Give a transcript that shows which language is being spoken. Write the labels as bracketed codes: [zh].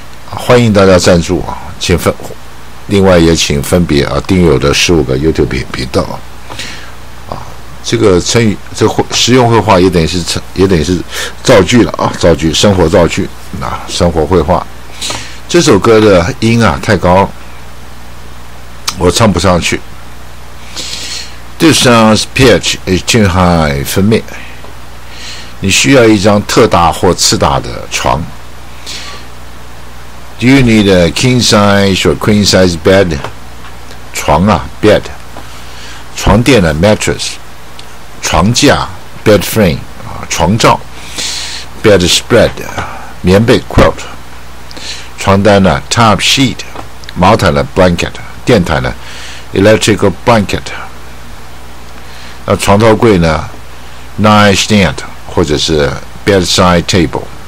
[zh] 欢迎大家赞助啊，另外也请分别啊订阅我的15个 YouTube 频道啊。这个成语，这实用绘画也等于是造句了啊，造句，生活造句啊，生活绘画。这首歌的音啊太高，我唱不上去。 [en] This song's pitch is too high for me. [zh] 你需要一张特大或次大的床。 [en] Do you need a king size or queen size bed? [zh] 床啊 [en] ，bed， [zh] 床垫呢 [en] ，mattress。 [zh] 床架 bed frame 啊，床罩 bed spread 棉被 quilt， 床单呢 top sheet， 毛毯呢 blanket， 电毯呢 electrical blanket， 那床头柜呢 nightstand 或者是 bedside table。